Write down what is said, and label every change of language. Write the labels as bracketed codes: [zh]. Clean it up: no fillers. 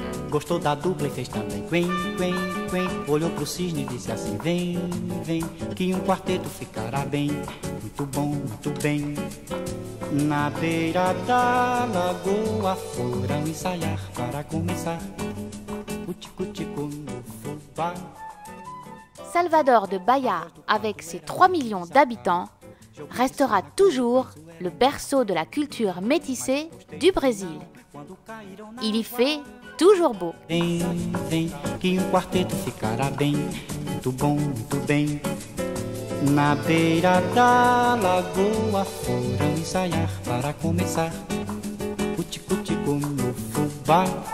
[pt] Gostou da dupla e fez também quim, quim, quim, olhou pro cisne e disse assim, vem, vem, que quarteto ficará bem, muito bom, muito bem. Na beira da lagoa foram ensaiar para começar o tico-tico no fubá. [fr] Salvador de Bahia, avec ses 3 millions d'habitants, restera toujours le berceau de la culture métissée du Brésil. Il y fait toujours beau. [pt] Vem, vem, que quarteto ficará bem, muito bom, muito bem. Na beira da lagoa foram ensaiar para começar o tico-tico no fubá.